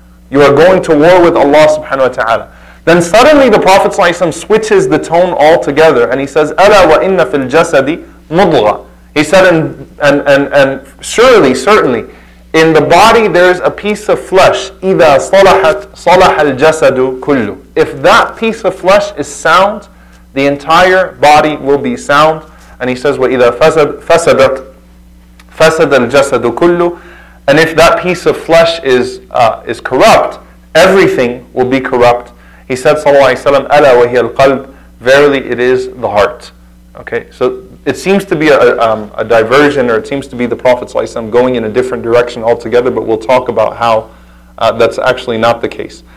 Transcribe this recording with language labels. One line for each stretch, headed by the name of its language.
English: You are going to war with Allah subhanahu wa ta'ala. Then suddenly the Prophet ﷺ switches the tone altogether and he says,
Arabic: أَلَا وَإِنَّ فِي الْجَسَدِ مُضْغَى.
English: He said, and surely, certainly, in the body there is a piece of flesh,
Arabic: إِذَا صَلَحَتْ صَلَحَ الْجَسَدُ كُلُّ.
English: If that piece of flesh is sound, the entire body will be sound. And he says,
Arabic: وَإِذَا فَسَدَتْ فَسَدَ الْجَسَدُ كُلُّ.
English: And if that piece of flesh is corrupt, everything will be corrupt. He said, sallallahu alayhi wa sallam,
Arabic: أَلَا وَهِيَ الْقَلْبِ.
English: Verily it is the heart. Okay, so it seems to be a diversion, or it seems to be the Prophet sallallahu alayhi wa sallam going in a different direction altogether, but we'll talk about how that's actually not the case.